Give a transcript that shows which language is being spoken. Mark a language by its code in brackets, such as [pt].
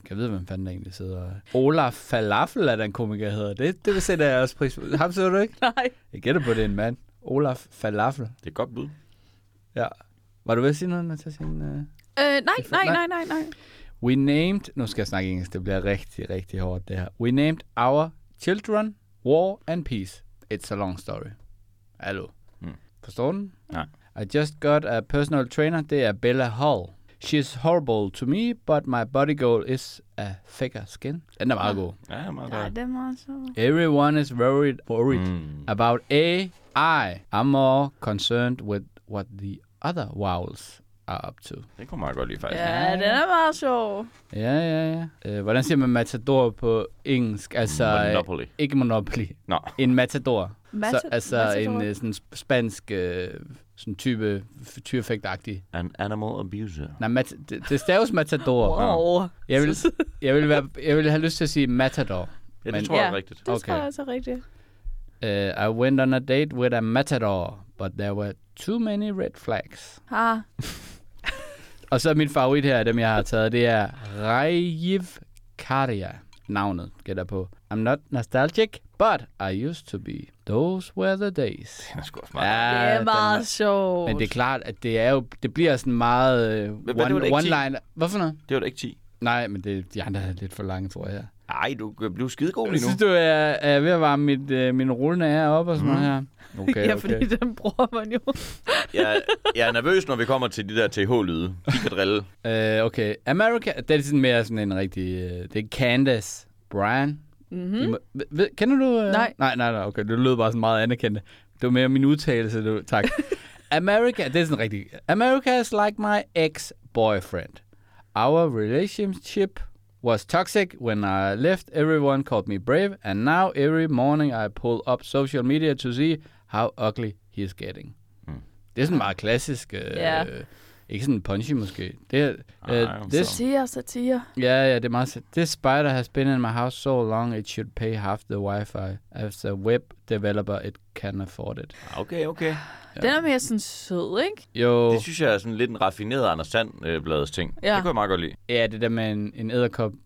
[da] Kan jeg vide, hvem fanden der egentlig sidder? Olaf Falafel er den komiker, jeg hedder. Det vil sætte jeg også pris på. Ham så du ikke? Nej. Jeg gætter på, det er en mand. Olaf Falafel. Det er et godt bud. Ja. Var du ved at sige noget, Natasha? Nej. We named, nu skal jeg snakke engelsk, det bliver rigtig, rigtig hårdt det her. [en] We named our children War and Peace. It's a long story. Hallo. Forstår du den? [da] Nej. [en] I just got a personal trainer, det er Bella Hall. She's horrible to me, but my body goal is a thicker skin. [da] Den er meget god. Ja, meget god. Ja, den var så. [en] Everyone is worried about AI. I'm more concerned with what the other wows are up to. [da] Det kunne meget godt lide, faktisk. Ja, den er meget sjov. Ja. Hvordan siger man matador på engelsk? Altså, Monopoly. Ikke Monopoly. [en] No. [da] En matador. Så, altså matador. En sådan spansk sådan type tyrefægt-agtig. [en] An animal abuser. [da] Nej, det staves matador. Wow. Jeg vil have lyst til at sige matador. Ja, det tror jeg er rigtigt. Okay. Det tror jeg er rigtigt. [en] I went on a date with a matador, but there were too many red flags. Ha. [da] Og så min favorit her, dem jeg har taget, det er Rajiv Karia. Navnet, gætter på. [en] I'm not nostalgic, but I used to be. Those were the days. [da] Det er meget sjovt. Men det er klart, at det bliver sådan meget one-liner. Hvorfor noget? Det var da ikke 10. Nej, men de andre er lidt for lange, tror jeg. Ej, du bliver skidegod lige nu. Jeg synes, du er ved at varme min rullende ære op og sådan noget her. Okay, ja, fordi den bruger man jo. jeg er nervøs, når vi kommer til de der TH-lyde. De kan drille. Okay, America, det er sådan mere sådan en rigtig... Det er Candace Bryan. Kender du... Nej. Nej, okay, det lød bare sådan meget anerkendt. Det var mere min udtalelse, du. Tak. America, det er sådan rigtig... [en] America is like my ex-boyfriend. Our relationship was toxic when I left. Everyone called me brave, and now every morning I pull up social media to see how ugly he is getting. [da] Det er sådan meget klassisk. Ikke sådan punchy måske. Satire. Ja, det er meget. [en] This spider has been in my house so long it should pay half the Wi-Fi. As a web developer, it can afford it. [da] Okay. Ja. Den er mere sådan sød, ikke? Jo. Det synes jeg er sådan lidt en raffineret Anders Sand-bladets ting. Ja. Det kunne jeg meget godt lide. Ja, det der med en edderkop.